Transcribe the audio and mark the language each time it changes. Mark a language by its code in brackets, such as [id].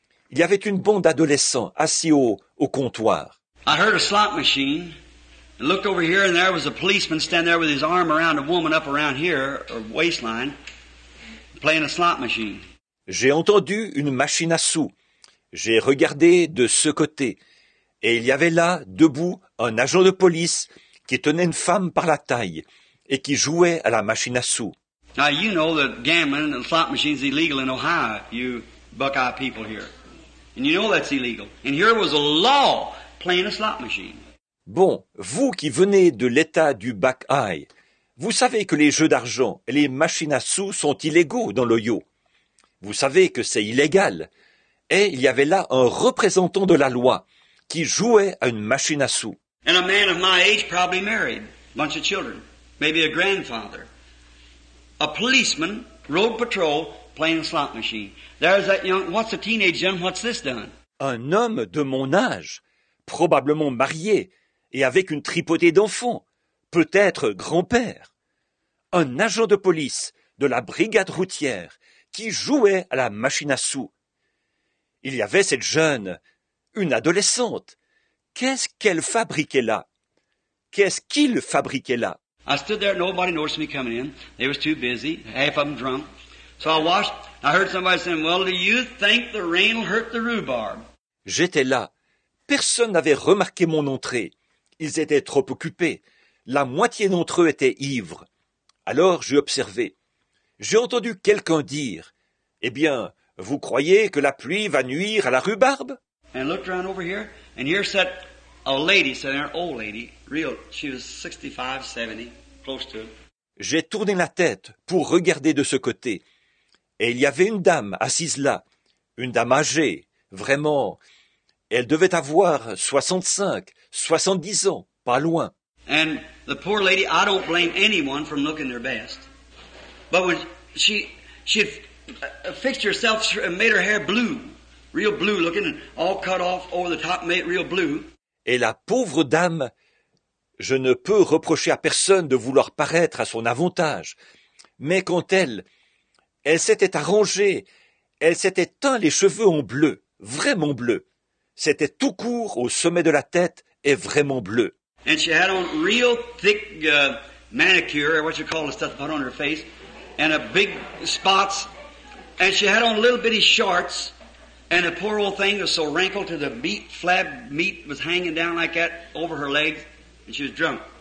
[fr] Il y avait une bande d'adolescents assis au comptoir. [en] I heard a slot machine. I looked over here and there was a policeman standing there with his arm around a woman up around here, or waistline, playing a slot machine. [fr] J'ai entendu une machine à sous. J'ai regardé de ce côté. Et il y avait là, debout, un agent de police qui tenait une femme par la taille et qui jouait à la machine à sous. [en] Now you know that gambling and slot machines is illegal in Ohio, you Buckeye people here. And you know that's illegal. And here was a law playing a slot machine. [fr] Bon, vous qui venez de l'état du Buckeye, vous savez que les jeux d'argent et les machines à sous sont illégaux dans l'Ohio. Vous savez que c'est illégal. Et il y avait là un représentant de la loi qui jouait à une machine à sous. [en] And a man of my age probably married, a bunch of children, maybe a grandfather. A policeman, road patrol, playing a slot machine. There's that young, what's a teenage young, what's this done? [fr] Un homme de mon âge, probablement marié, et avec une tripotée d'enfants, peut-être grand-père. Un agent de police, de la brigade routière, qui jouait à la machine à sous. Il y avait cette jeune, une adolescente. Qu'est-ce qu'elle fabriquait là? Qu'est-ce qu'il fabriquait là? [en] I stood there, nobody noticed me coming in. They was too busy, half of them drunk. So I watched, I heard somebody saying, "Well, do you think the rain will hurt the rhubarb?" [fr] J'étais là. Personne n'avait remarqué mon entrée. Ils étaient trop occupés. La moitié d'entre eux étaient ivres. Alors j'ai observé. J'ai entendu quelqu'un dire, « Eh bien, vous croyez que la pluie va nuire à la rhubarbe ?» [en] And looked around over here, and here sat a lady, sitting there, an old lady, real, she was 65, 70, close to it. [fr] J'ai tourné la tête pour regarder de ce côté. Et il y avait une dame assise là, une dame âgée, vraiment. Elle devait avoir 65, 70 ans, pas loin. [en] And the poor lady, I don't blame anyone from looking their best. But when she had fixed herself and made her hair blue, real blue looking, and all cut off over the top, made real blue. [fr] Et la pauvre dame, je ne peux reprocher à personne de vouloir paraître à son avantage. Mais quand elle s'était arrangée, elle s'était teint les cheveux en bleu, vraiment bleu. C'était tout court au sommet de la tête et vraiment bleu. [en] And she had on real thick manicure, what you call the stuff put on her face, and a big spots. And she had on little bitty shorts. And the poor old thing was so wrinkled to the meat, flab meat was hanging down like that over her legs, and she was drunk.